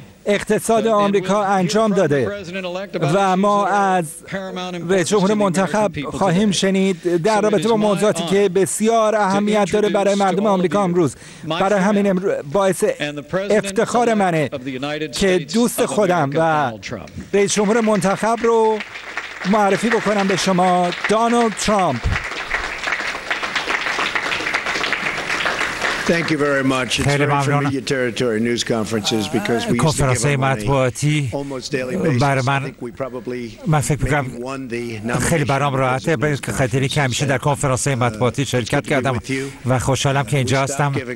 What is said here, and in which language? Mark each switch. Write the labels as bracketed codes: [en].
[fa] اقتصاد آمریکا انجام داده و ما از رئیس جمهور منتخب خواهیم شنید در رابطه با موضوعاتی که بسیار اهمیت داره برای مردم آمریکا امروز. برای همین باعث افتخار منه که دوست خودم و رئیس جمهور منتخب رو معرفی بکنم به شما، دونالد ترامپ. [en] Thank you very much. It's very familiar territory news conferences because we used to give out money almost daily basis. I think we probably maybe won the nomination. [fa] خیلی برام راحته به خاطری که همیشه در کنفرانس‌های مطبوعاتی شرکت کردم و خوشحالم که اینجا هستم.